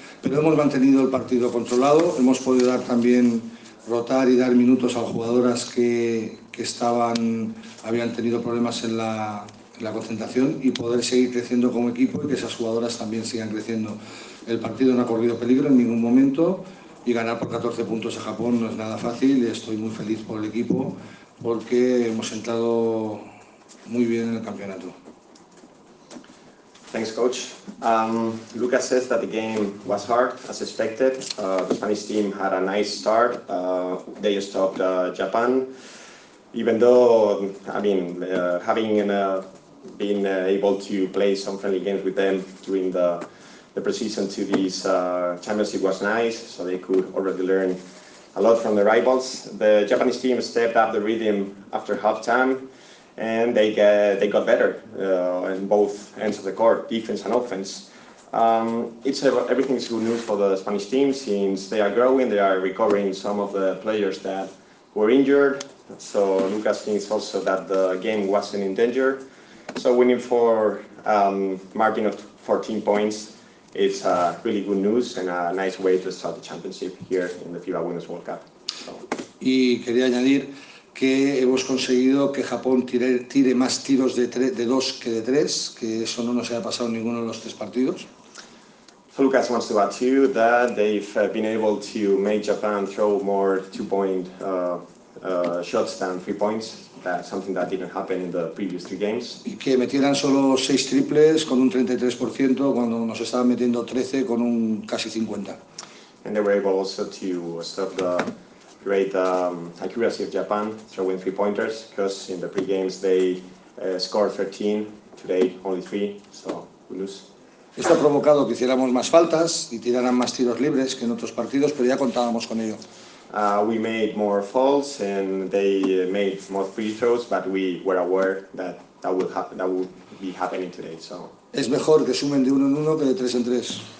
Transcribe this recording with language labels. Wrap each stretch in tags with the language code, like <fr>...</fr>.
<es>Pero hemos mantenido el partido controlado, hemos podido dar también rotar y dar minutos a jugadoras que estaban, habían tenido problemas en la concentración y poder seguir creciendo como equipo y que esas jugadoras también sigan creciendo. El partido no ha corrido peligro en ningún momento y ganar por 14 puntos a Japón no es nada fácil. Estoy muy feliz por el equipo porque hemos entrado muy bien en el campeonato.</es> <en>Thanks, coach. Lucas says that the game was hard, as expected. The Spanish team had a nice start. They stopped Japan. Even though, I mean, having been able to play some friendly games with them during the preseason to this Champions League was nice, so they could already learn a lot from the rivals. The Japanese team stepped up the rhythm after halftime. And they got better in both ends of the court, defense and offense. Everything is good news for the Spanish team since they are growing, they are recovering some of the players that were injured. So Lucas thinks also that the game wasn't in danger. So winning for a margin of 14 points is really good news and a nice way to start the championship here in the FIBA Women's World Cup.</en> <es>Y quería añadir que hemos conseguido que Japón tire más tiros de dos que de tres, que eso no nos haya pasado en ninguno de los tres partidos.</es> <en>So Lucas wants to add to you that they've been able to make Japan throw more two-point shots than three points, that's something that didn't happen in the previous three games.</en> <es>Y que metieran solo seis triples con un 33% cuando nos estaban metiendo 13 con un casi 50.</es> <en>And they were able also to stop the great accuracy of Japan throwing three pointers because in the pre-games they scored 13, today only 3, so we lose.</en> <es>Esto ha provocado que hiciéramos más faltas y tiraran más tiros libres que en otros partidos, pero ya contábamos con ello.</es> <en>We made more fouls and they made more free throws, but we were aware that would be happening today, so.</en> <es>Es mejor que sumen de uno en uno que de tres en tres.</es>